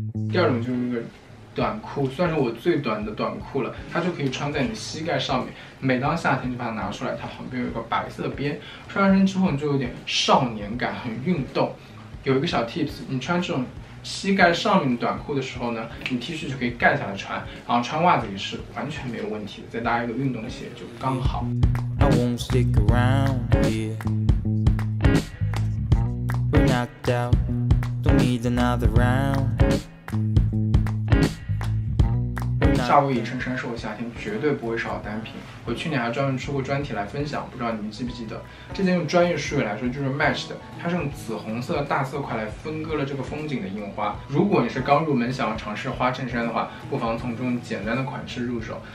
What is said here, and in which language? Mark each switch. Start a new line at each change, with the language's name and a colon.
Chinese: 第二种就是一个短裤，算是我最短的短裤了，它就可以穿在你膝盖上面，每当夏天就把它拿出来，它旁边有一个白色边，穿上之后你就有点少年感，很运动。有一个小 tips， 你穿这种膝盖上面的短裤的时候呢，你 T 恤就可以盖下来穿，然后穿袜子也是完全没有问题的，再搭一个运动鞋就刚好。
English: I won't stick around here. We're knocked out. Don't need another round.
Chinese: 夏威夷衬衫是我夏天绝对不会少的单品，我去年还专门出过专题来分享，不知道你们记不记得。这件用专业术语来说就是 match 的，它是用紫红色的大色块来分割了这个风景的印花。如果你是刚入门想要尝试花衬衫的话，不妨从这种简单的款式入手。